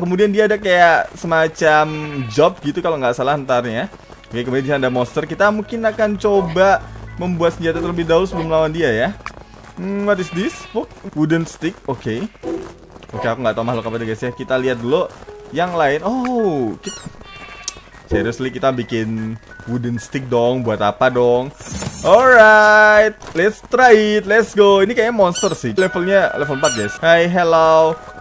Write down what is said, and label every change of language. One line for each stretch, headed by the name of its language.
Indonesian: Kemudian dia ada kayak semacam job gitu kalau nggak salah ntarnya. Oke, kemudian ada monster. Kita mungkin akan coba membuat senjata terlebih dahulu sebelum lawan dia ya.
English: What is this? Wooden stick.
Indonesian: Oke, aku nggak tahu makhluk apa itu guys ya. Kita lihat dulu yang lain. Seriously, kita bikin wooden stick dong. Buat apa dong?
English: Alright, let's try it. Let's go.
Indonesian: Ini kayaknya monster sih. Levelnya level 4 guys. Hi, hello.